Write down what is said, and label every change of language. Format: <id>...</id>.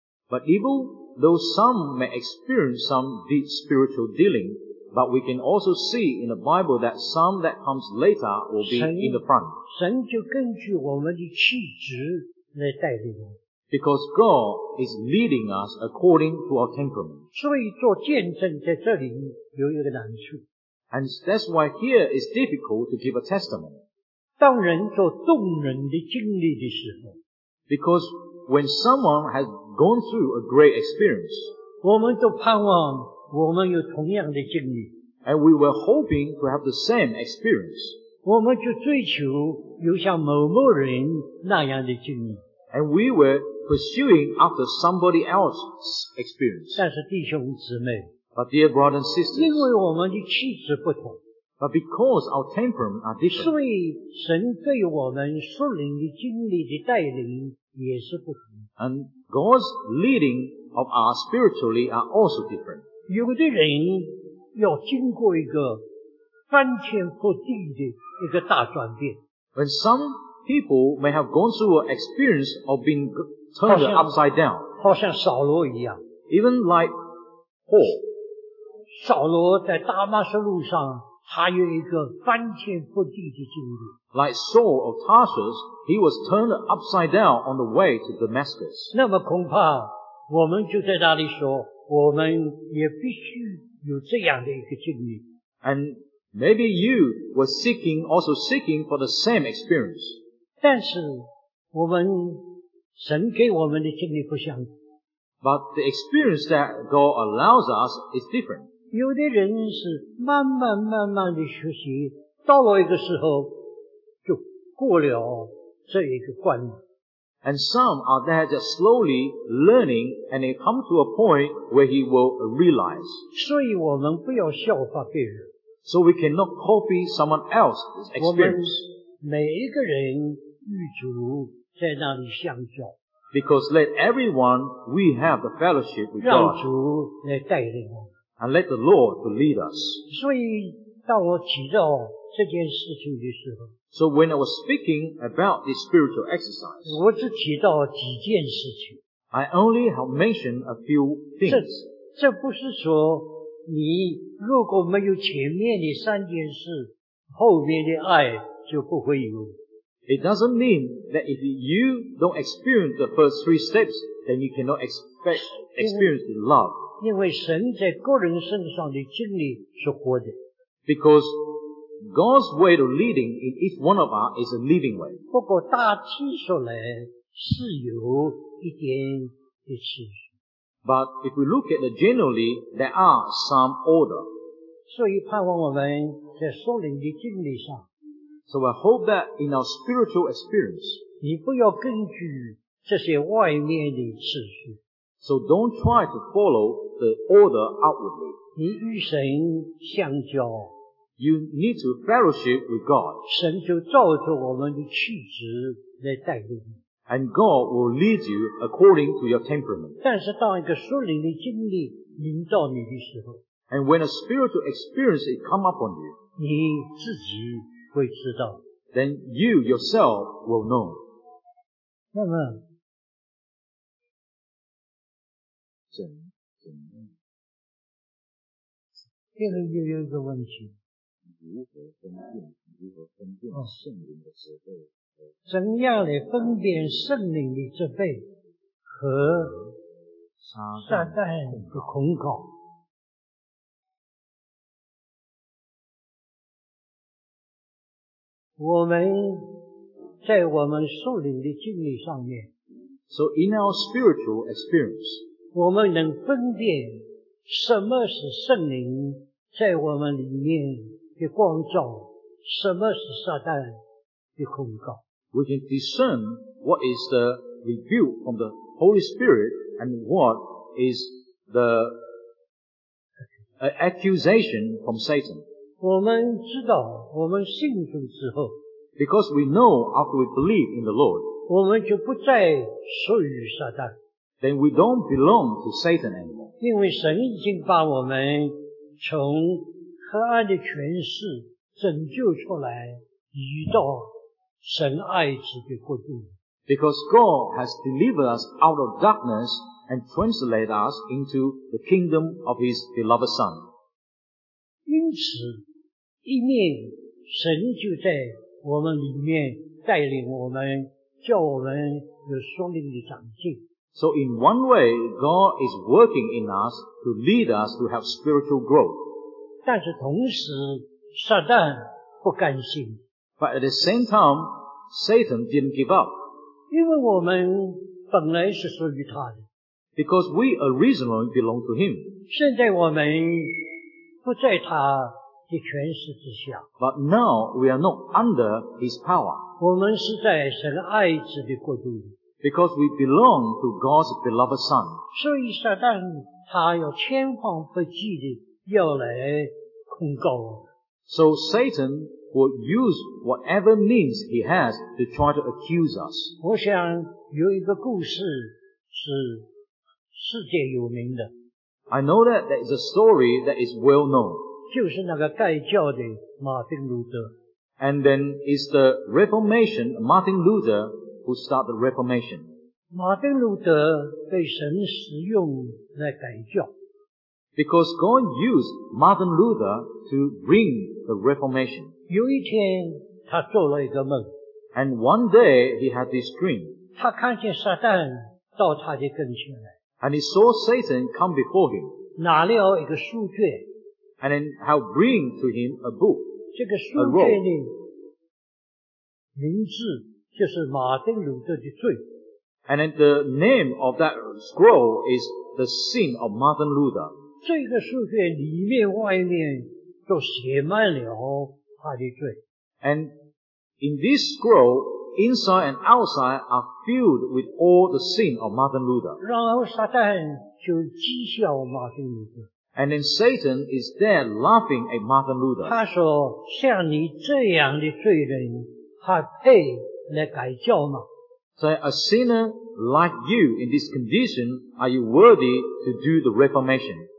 <en>But even though some may experience some deep spiritual dealing, but we can also see in the Bible that some that comes later will be in the front.</en> <zh>神就根据我们的气质来带领我们。</zh> <en>Because God is leading us according to our temperament.</en> <zh>所以做见证在这里有一个难处。</zh> <en>And that's why here it's difficult to give a testimony.</en> <zh>当人做动人的经历的时候，</zh> <en>Because when someone has gone through a great experience,</en> <zh>我们都盼望我们有同样的经历。</zh> <en>And we were hoping to have the same experience.</en> <zh>我们就追求有像某某人那样的经历。</zh> <en>And we were pursuing after somebody else's experience.</en> <zh>但是弟兄姊妹，</zh> <en>But dear brothers and sisters,</en> <zh>因为我们的气质不同，</zh> <en>But because our temperament are different,</en> <zh>所以神对我们属灵的经历的带领也是不同。</zh> <en>And God's leading of us spiritually are also different.</en> <zh>有的人要经过一个翻天覆地的一个大转变。</zh> <en>When some people may have gone through an experience of being turned upside down.</en> <zh>好像扫罗一样。</zh> <en>Even like Paul.</en> <zh>扫罗在大马士路上他有一个翻天覆地的经历。</zh> <en>Like Saul of Tarsus, he was turned upside down on the way to Damascus.</en> <zh>那么恐怕我们就在那里说我们也必须有这样的一个经历。</zh> <en>And maybe you were seeking for the same experience.</en> <zh>但是我们神给我们的经历不相同。</zh> <en>But the experience that God allows us is different.</en> <zh>有的人是慢慢慢慢的学习，到了一个时候就过了这一个关。</zh> <en>And some are there just slowly learning and they come to a point where he will realize.</en> <zh>所以我们不要效法别人。</zh> <en>So we cannot copy someone else's experience.</en> <zh>每一个人与主在那里相交。</zh> <en>Because let everyone, we have the fellowship with God.</en> <zh>让主来带领我们。</zh> <en>And let the Lord to lead us.</en> <zh>所以当我提到这件事情的时候。</zh> <en>So when I was speaking about this spiritual exercise,</en> <zh>我只提到几件事情。</zh> <en>I only have mentioned a few things.</en> <zh>这不是说你如果没有前面的三件事，后面的爱就不会有。</zh> <en>It doesn't mean that if you don't experience the first three steps, then you cannot experience the love.</en> <zh>因为神在个人身上的经历是活的。</zh> <en>Because God's way of leading in each one of us is a living way.</en> <zh>不过大体说来是有一点的次序。</zh> <en>But if we look at it generally, there are some order.</en> <zh>所以盼望我们在属灵的经历上。</zh> <en>So I hope that in our spiritual experience,</en> <zh>你不要根据这些外面的次序。</zh> <en>So don't try to follow the order outwardly.</en> <zh>你与神相交。</zh> <en>You need to fellowship with God.</en> <zh>神就照着我们的气质来带领你。</zh> <en>And God will lead you according to your temperament.</en> <zh>但是当一个属灵的经历临到你的时候，</zh> <en>And when a spiritual experience it come upon you,</en> <zh>你自己会知道。</zh> <en>Then you yourself will know.</en> <zh>那么怎么又有一个问题，如何分辨圣灵的责备，怎样来分辨圣灵的责备和撒旦的控告。我们在我们属灵的经历上面，</zh> <en>So in our spiritual experience,</en> <zh>我们能分辨什么是圣灵在我们里面的光照，什么是撒旦的控告。</zh> <en>We can discern what is the rebuke from the Holy Spirit and what is the accusation from Satan.</en> <zh>我们知道我们信主之后，</zh> <en>Because we know after we believe in the Lord,</en> <zh>我们就不再属于撒旦。</zh> <en>Then we don't belong to Satan anymore.</en> <zh>因为神已经把我们从黑暗的权势拯救出来，移到神爱子的国度。</zh> <en>Because God has delivered us out of darkness and translated us into the kingdom of His beloved Son.</en> <zh>因此，一面神就在我们里面带领我们，叫我们有属灵的长进。</zh> <en>So in one way, God is working in us to lead us to have spiritual growth.</en> <zh>但是同时，撒旦不甘心。</zh> <en>But at the same time, Satan didn't give up.</en> <zh>因为我们本来是属于他的。</zh> <en>Because we originally belong to him.</en> <zh>现在我们不在他的权势之下。</zh> <en>But now we are not under his power.</en> <zh>我们是在神爱子的国度里。</zh> <en>Because we belong to God's beloved Son.</en> <zh>所以撒旦他有千方百计地要来控告我们。</zh> <en>So Satan will use whatever means he has to try to accuse us.</en> <zh>我想有一个故事是世界有名的。</zh> <en>I know that there is a story that is well known.</en> <zh>就是那个改教的马丁路德。</zh> <en>And then is the Reformation, Martin Luther,who start the Reformation.</en> <zh>马丁路德被神使用来改教。</zh> <en>Because God used Martin Luther to bring the Reformation.</en> <zh>有一天他做了一个梦。</zh> <en>And one day he had this dream.</en> <zh>他看见撒旦到他的跟前来。</zh> <en>And he saw Satan come before him.</en> <zh>拿了一个书卷。</zh> <en>And then he'll bring to him a book.</en> <zh>这个书卷的名字就是马丁路德的罪。</zh> <en>And then the name of that scroll is the sin of Martin Luther.</en> <zh>这个书卷里面外面都写满了他的罪。</zh> <en>And in this scroll, inside and outside are filled with all the sin of Martin Luther.</en> <zh>然后撒旦就讥笑马丁路德。</zh> <en>And then Satan is there laughing at Martin Luther.</en> <zh>他说像你这样的罪人还配来改教吗？</zh> <en>So a sinner like you in this condition, are you worthy to do the Reformation?</en>